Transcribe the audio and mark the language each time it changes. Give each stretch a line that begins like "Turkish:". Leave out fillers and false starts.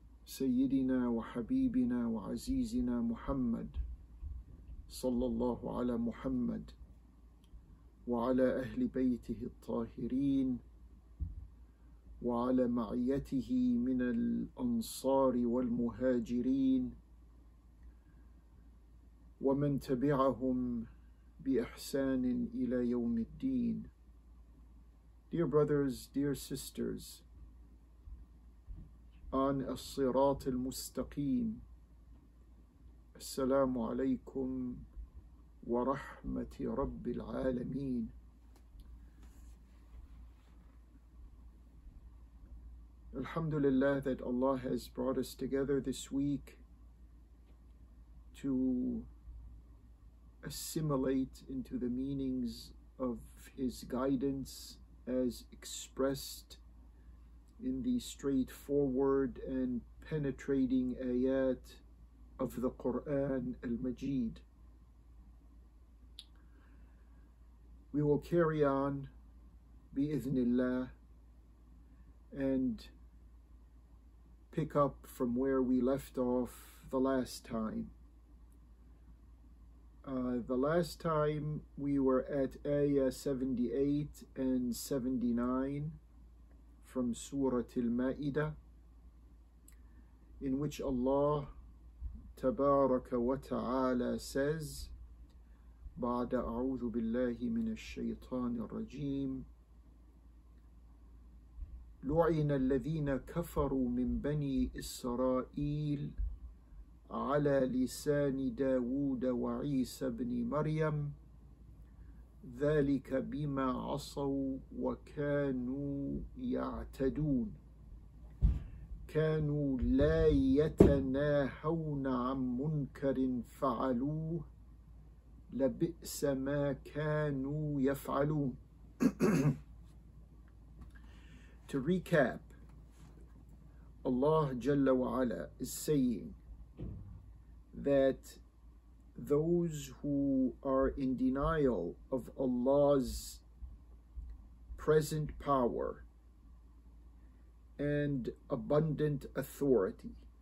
Arabic: سيدنا وحبيبنا وعزيزنا محمد صلى الله على محمد وعلى أهل بيته الطاهرين وعلى معيته من الأنصار والمهاجرين ومن تبعهم بإحسان إلى يوم الدين.
English: Dear brothers, dear sisters,
Arabic: عن الصراط المستقيم. السلام عليكم ورحمة رب العالمين.
English: Alhamdulillah that Allah has brought us together this week to assimilate into the meanings of His guidance as expressed in the straightforward and penetrating ayat of the Qur'an al-Majid. We will carry on bi-idhnillah and pick up from where we left off the last time. The last time we were at ayah 78 and 79 from Surah Al-Ma'idah, in which Allah Tabaraka wa Ta'ala says,
Arabic: بعد أعوذ بالله من الشيطان الرجيم لعن الذين كفروا من بني إسرائيل على لسان داود وعيسى بن مريم ذلك بما عصوا وكانوا يعتدون كانوا لا يتناهون عن منكر فعلوه لبئس ما كانوا يفعلون.
English: To recap, Allah Jalla wa Ala is saying that those who are in denial of Allah's present power and abundant authority,